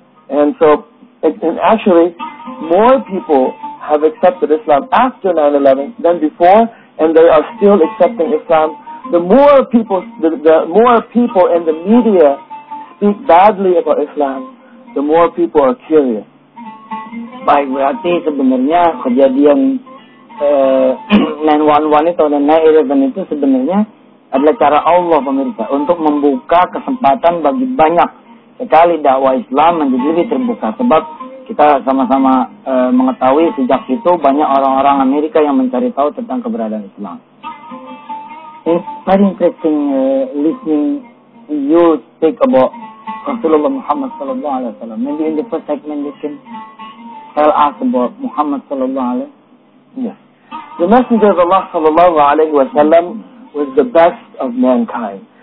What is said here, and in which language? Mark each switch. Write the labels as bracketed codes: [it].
[en] And so, and actually, more people have accepted Islam after 9-11 than before, and they are still accepting Islam. The more people, the more people in the media speak badly about Islam, the more people are curious. [id] Baik, berarti sebenarnya kejadian 9-1-1 itu dan 9-11 itu sebenarnya adalah cara Allah, pemirsa, untuk membuka kesempatan bagi banyak sekali dakwah Islam menjadi lebih terbuka. Sebab kita sama-sama mengetahui sejak itu banyak orang-orang Amerika yang mencari tahu tentang keberadaan Islam. [en] It's very interesting listening you speak about Rasulullah Muhammad Sallallahu Alaihi Wasallam. Maybe in the first segment you can tell us about Muhammad Sallallahu Alaihi Wasallam. Yes. The Messenger of Allah Sallallahu Alaihi Wasallam was the best of mankind.